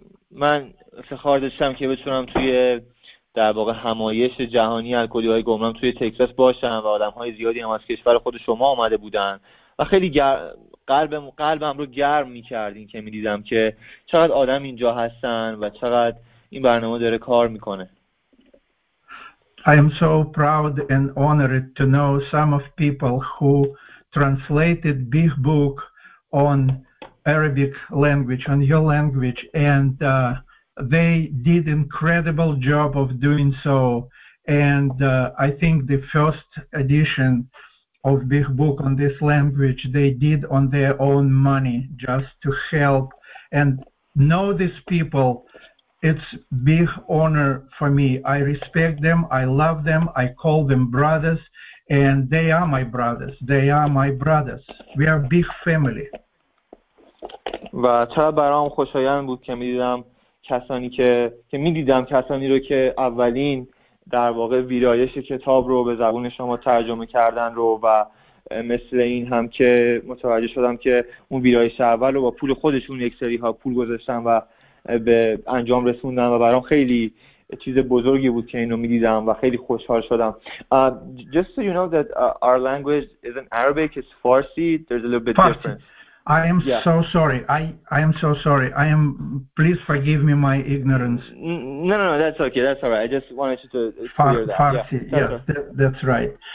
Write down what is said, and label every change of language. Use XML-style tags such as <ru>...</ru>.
<fa>من افتخار داشتم که بتونم توی در واقع همایش جهانی الکلی‌های گمنام توی تکساس باشم و آدم‌های زیادی هم از کشور خود شما آمده بودن و خیلی قلبم رو گرم می‌کردین که می‌دیدم که چقدر آدم اینجا هستن و چقدر این برنامه داره کار می‌کنه.</fa> <en>I am so proud and honored to know some of people who translated Big Book on Arabic language, on your language, and they did incredible job of doing so. And I think the first edition of Big Book on this language they did on their own money just to help and know these people. It's big honor for me. I respect them. I love them. I call them brothers, and they are my brothers. They are my brothers. We are big family.</en> <fa>و چرا برام خوشایند بود که می‌دیدم کسانی که می‌دیدم کسانی رو که اولین در واقع ویرایش کتاب رو به زبان شما ترجمه کردن رو، و مثل این هم که متوجه شدم که اون ویرایش اول رو با پول خودشون یک سری ها پول گذاشتن و به انجام رسوندم، و برام خیلی چیز بزرگی بود که اینو می‌دیدم و خیلی خوشحال شدم.</fa> <en>Just so you know that our language isn't Arabic, it's Farsi. There's a little bit Farsi. Different. I am so sorry. Please forgive me my ignorance. No, that's okay. That's all right. I just wanted you to Farsi, clear that. Farsi. Yeah. Yes, that's right.</en>